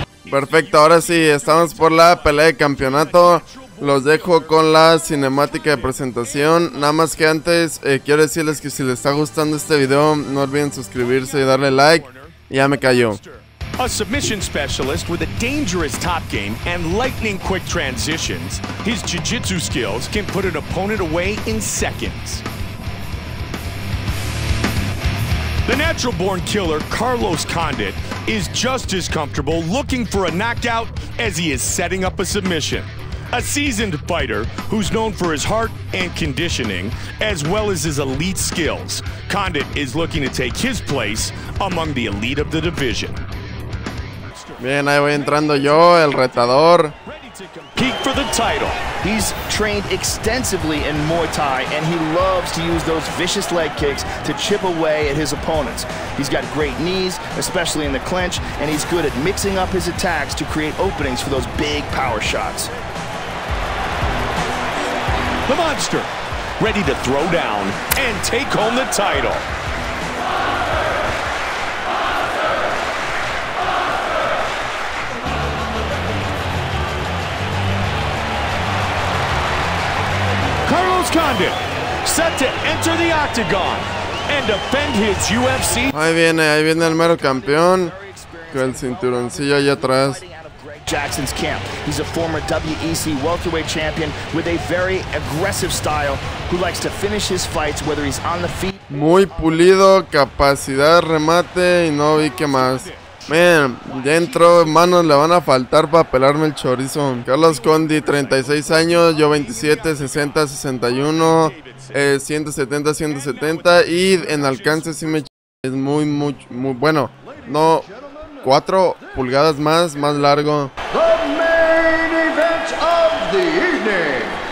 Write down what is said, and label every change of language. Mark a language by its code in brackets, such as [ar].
[es] Perfecto, ahora sí, estamos por la pelea de campeonato. Los dejo con la cinemática de presentación. Nada más que antes, quiero decirles que si les está gustando este video, no olviden suscribirse y darle like. Ya me callo. [en] A submission specialist with a dangerous top game and lightning quick transitions, his jiu-jitsu skills can put an opponent away in seconds. The natural-born killer, Carlos Condit, is just as comfortable looking for a knockout as he is setting up a submission. A seasoned fighter who's known for his heart and conditioning, as well as his elite skills, Condit is looking to take his place among the elite of the division. [es] Bien, ahí voy entrando yo, el retador. [en] Peak for the title. He's trained extensively in Muay Thai, and he loves to use those vicious leg kicks to chip away at his opponents. He's got great knees, especially in the clinch, and he's good at mixing up his attacks to create openings for those big power shots. The monster, ready to throw down and take home the title. Condit set to enter the octagon and defend his UFC. [es] Ahí viene el mero campeón con el cinturoncillo allá atrás. [en] Jackson's camp. He's a former WEC welterweight champion with a very aggressive style who likes to finish his fights whether he's on the feet. [es] Muy pulido, capacidad, remate y no vi qué más. Man, dentro manos le van a faltar para pelarme el chorizo. Carlos Condi, 36 años, yo 27, 60, 61, 170, 170. Y en alcance sí me es muy, muy, muy bueno. No, 4 pulgadas más largo. [en] The main event of the evening.